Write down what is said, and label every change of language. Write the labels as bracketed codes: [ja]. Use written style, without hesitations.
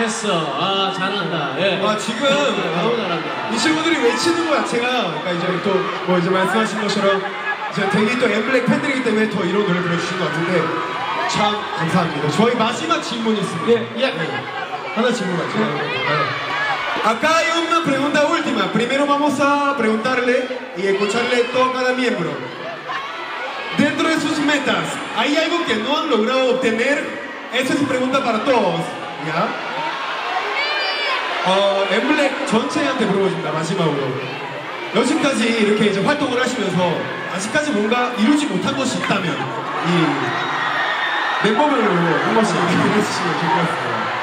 [ko] 아 지금 이 친구들이 외치는 거야. 제가 그러니까 이제 또 뭐 이제 말씀하신 것처럼 이제 되게 또 엠블랙 팬들이기 때문에 더 이런 노래 불러주신 것 같은데 참 감사합니다. 저희 마지막 질문 있습니다. 예, yeah. 예. Yeah. 하나 질문 맞죠? Yeah. [es] Acá hay una pregunta última. Primero vamos a preguntarle y escucharle todo cada miembro. Dentro de sus metas, hay algo que no han logrado obtener. Esa es su pregunta para todos. ¿Ya? Yeah. [ko] 엠블랙 전체한테 물어보신다 마지막으로 여지까지 이렇게 이제 활동을 하시면서 아직까지 뭔가 이루지 못한 것이 있다면 이 멤버별로 한 번씩 얘기해 주시면 좋을 것 같습니다.